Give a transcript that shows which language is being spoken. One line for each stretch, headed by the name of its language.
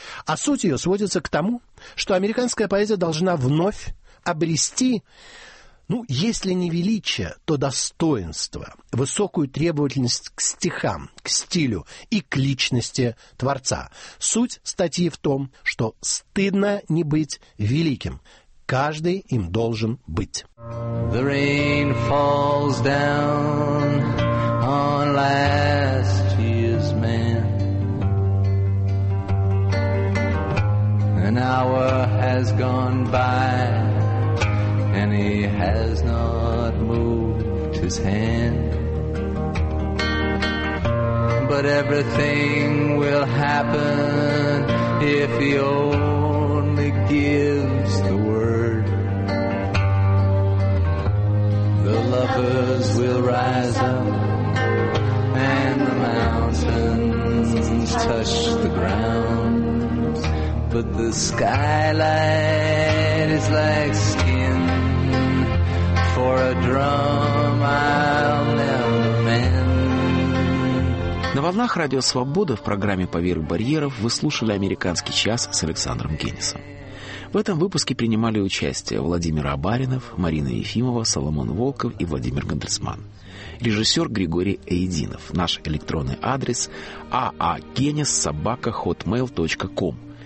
Russian: А суть ее сводится к тому, что американская поэзия должна вновь обрести... Ну, если не величие, то достоинство, высокую требовательность к стихам, к стилю и к личности творца. Суть статьи в том, что стыдно не быть великим. Каждый им должен быть.
English: The rain falls down on last year's man. An hour has gone by. And he has not moved his hand. But everything will happen if he only gives the word. The lovers will rise up and the mountains touch the ground. But the skylight is like skin. For a drum I'll never mend.
Russian: На волнах Радио Свобода в программе «Поверх барьеров» вы слушали «Американский час» с Александром Генисом. В этом выпуске принимали участие Владимир Абаринов, Марина Ефимова, Соломон Волков и Владимир Гандерсман. Режиссер Григорий Эйдинов. Наш электронный адрес aagenis@hotmail.com.